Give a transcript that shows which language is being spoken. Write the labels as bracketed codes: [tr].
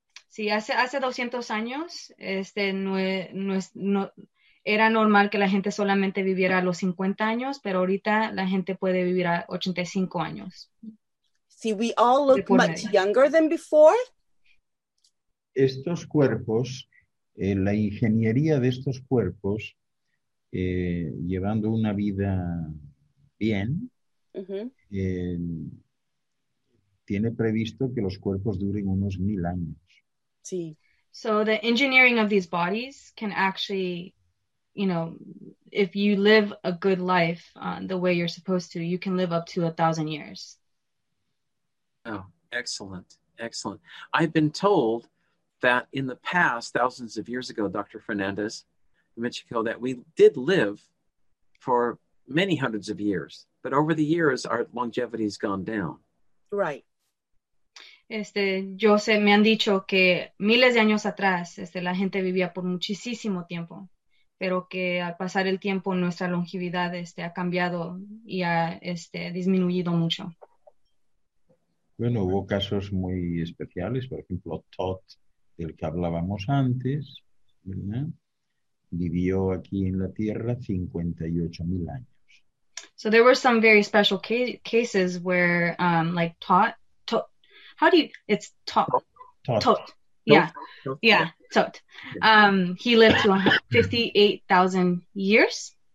[es] Sí, hace 200 años era normal que la gente solamente viviera los 50 años, pero ahorita la gente puede vivir a 85 años. [en] See, we all look much younger than before. [es] Estos cuerpos, la ingeniería de estos cuerpos, llevando una vida bien, uh-huh. Tiene previsto que los cuerpos duren unos 1,000 años. Sí. [en] So the engineering of these bodies can actually, you know, if you live a good life the way you're supposed to, you can live up to 1,000 years. Oh, excellent. I've been told that in the past, thousands of years ago, Dr. Fernandez, Michiko, that we did live for many hundreds of years, but over the years, our longevity has gone down. Right. [es] Yo sé, me han dicho que miles de años atrás, la gente vivía por muchísimo tiempo, pero que al pasar el tiempo, nuestra longevidad ha cambiado y ha disminuido mucho. Bueno, hubo casos muy especiales, por ejemplo, Todd, del que hablábamos antes, ¿verdad? Vivió aquí en la Tierra 58,000 años. [en] So there were some very special cases where, like Tot, how do you, it's Tot. Tot. He lived to 58,000 years.